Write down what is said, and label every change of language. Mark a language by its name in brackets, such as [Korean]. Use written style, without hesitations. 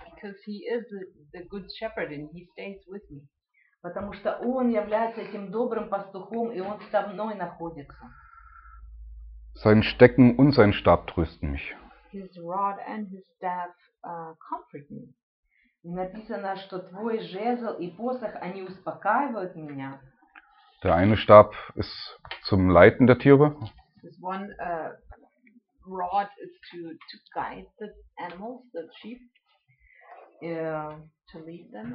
[English] Because he is the good shepherd and he stays with me. [Russian] Потому что он является этим добрым пастухом, и он со мной находится. [German] Sein Stecken und sein Stab trösten mich. [English] His rod and his staff comfort me. [Russian] И написано, что твой жезл и посох, они успокаивают меня. [German] Der eine Stab ist zum Leiten der Tiere. [English] This one brought is to guide the animals, the sheep, to lead them.